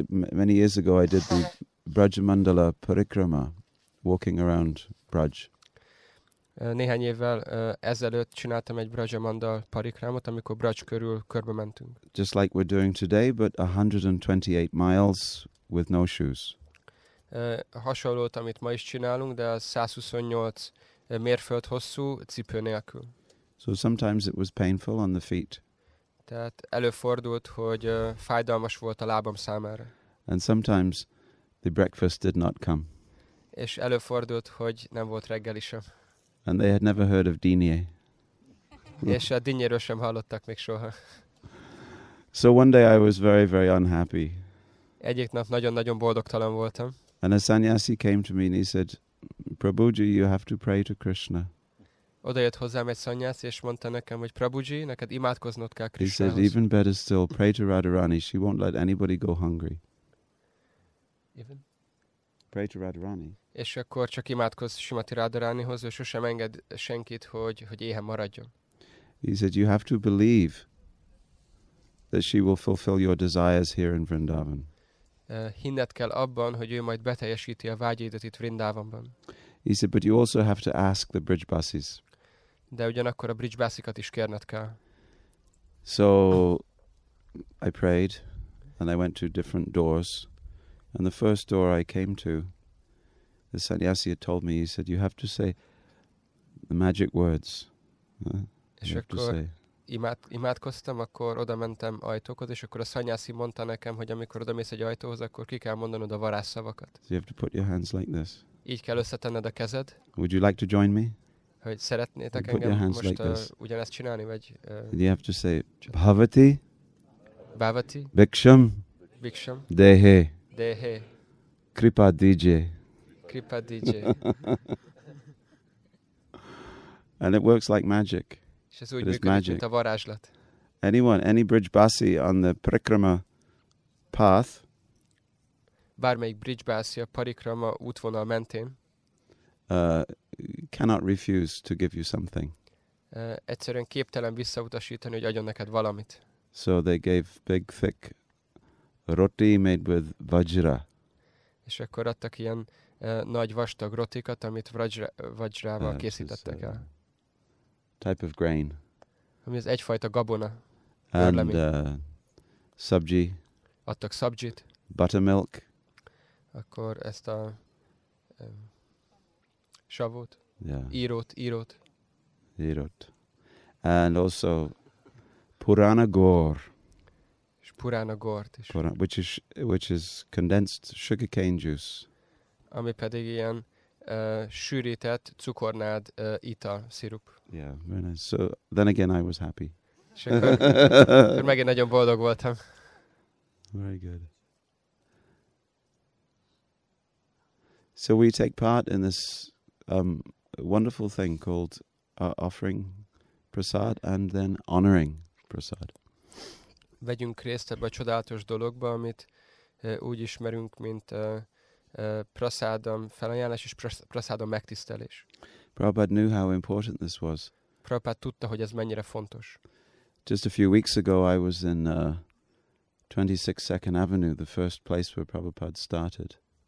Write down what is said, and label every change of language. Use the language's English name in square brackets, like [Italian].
[English] Many years ago I did the Brajmandala Parikrama, walking around Braj. [Hungarian] Néhány évvel ezelőtt csináltam egy Brajmandal Parikramot, amikor Braj körül körbe mentünk. [English] Just like we're doing today, but 128 miles with no shoes. [Hungarian] Hasonlót, amit ma is csinálunk, de 128 mérföld hosszú cipő nélkül. [English] So sometimes it was painful on the feet. [Hungarian] Tehát előfordult, hogy fájdalmas volt a lábam számára. [English] And sometimes the breakfast did not come. [Hungarian] És előfordult, hogy nem volt reggeli sem. [English] And they had never heard of dinnye. [Hungarian] És a dinnyéről sem hallottak még soha. [English] So one day I was very, very unhappy. [Hungarian] Egyik nap nagyon-nagyon boldogtalan voltam. [English] And a sannyasi came to me and he said, Prabhuji, you have to pray to Krishna. [Hungarian] Odajött hozzám egy szanyász, és mondta nekem, hogy Prabhuji, neked imádkoznod kell Krishnához. [English] He said, even better still, pray to Radharani, she won't let anybody go hungry. Even? Pray to Radharani. [Hungarian] És akkor csak imádkozz Simati Radharanihoz, ő sosem enged senkit, hogy éhen maradjon. [English] He said, you have to believe that she will fulfill your desires here in Vrindavan. [Hungarian] Hinned kell abban, hogy ő majd beteljesíti a vágyaidat itt Vrindavanban. [English] He said, but you also have to ask the bridge buses. [Hungarian] De ugyanakkor a bridge busikat is kérned kell. [English] So I prayed and I went to different doors. And the first door I came to, the sannyasi had told me, he said, you have to say the magic words. [Hungarian] És akkor imádkoztam, akkor oda mentem ajtókhoz, és akkor a sannyasi mondta nekem, hogy amikor oda mész egy ajtóhoz, akkor ki kell mondanod a varázsszavakat. [English] So you have to put your hands like this. [Hungarian] Így kell összetenned a kezed. [English] Would you like to join me? [Hungarian] Hogy szeretnétek engem most like ugyanezt csinálni, vagy... [English] You have to say, Bhavati. [Sanskrit] Bhavati. Bhiksham. Bhiksham. Dehe. Dehe. Kripa DJ. Kripa DJ. [English] And it works like magic. [Hungarian] És ez úgy működik, magic. Mint a varázslat. [English] Anyone, any bridge basi on the Parikrama path... [Hungarian] Bármelyik bridge bassi a Parikrama útvonal mentén [English] cannot refuse to give you something. [Hungarian] Egyszerűen képtelen visszautasítani, hogy adjon neked valamit. [English] So they gave big thick roti made with vajra. [Hungarian] És akkor adtak ilyen nagy vastag rotikat, amit vajrával készítettek el. [English] Type of grain. [Hungarian] Ami az egyfajta gabona. [English] And sabji. [Hungarian] Adtak sabjit. [English] Buttermilk. [Hungarian] Akkor ezt a savot, [English] yeah. [Hungarian] Írót. [English] And also Purana Gor. [Hungarian] És Purana Gort is. [English] Which is condensed sugarcane juice. [Hungarian] Ami pedig ilyen sűrített cukornád ital, szirup. [English] Yeah, very nice. So then again I was happy. [Hungarian] És akkor megint nagyon boldog voltam. [English] Very good. So we take part in this wonderful thing called offering prasad and then honoring prasad. [Hungarian] Vegyünk részt ebbe a csodálatos dologba, amit úgy ismerünk, mint prasadam felajánlás és prasadam megtisztelés. [English] Prabhupada knew how important this was. [Hungarian] Prabhupada tudta, hogy ez mennyire fontos. [English] Just a few weeks ago I was in 26 Second Avenue, the first place where Prabhupada started.